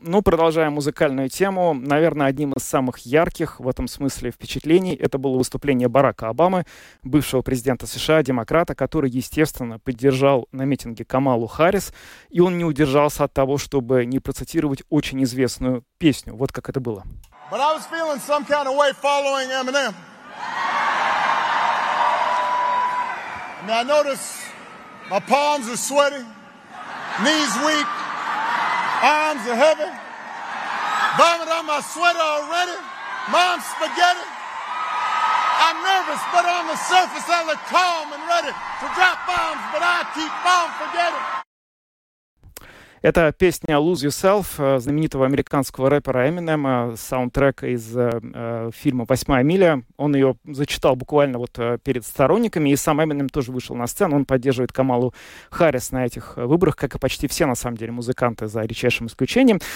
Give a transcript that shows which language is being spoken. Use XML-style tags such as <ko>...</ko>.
<ru>Но продолжая музыкальную тему, наверное, одним из самых ярких в этом смысле впечатлений это было выступление Барака Обамы, бывшего президента США, демократа, который, естественно, поддержал на митинге Камалу Харрис, и он не удержался от того, чтобы не процитировать очень известную песню. Вот как это было.</ru> <en>But I was feeling some kind of way following Eminem. And I noticed my palms are sweaty, knees weak, arms are heavy, vomit on my sweater already, mom's spaghetti. I'm nervous, but on the surface I look calm and ready to drop bombs, but I keep on forgetting.</en> <ru>Это песня «Lose Yourself» знаменитого американского рэпера Eminem, саундтрек из фильма «Восьмая миля». Он ее зачитал буквально вот перед сторонниками, и сам Eminem тоже вышел на сцену. Он поддерживает Камалу Харрис на этих выборах, как и почти все, на самом деле, музыканты, за редчайшим исключением.</ru>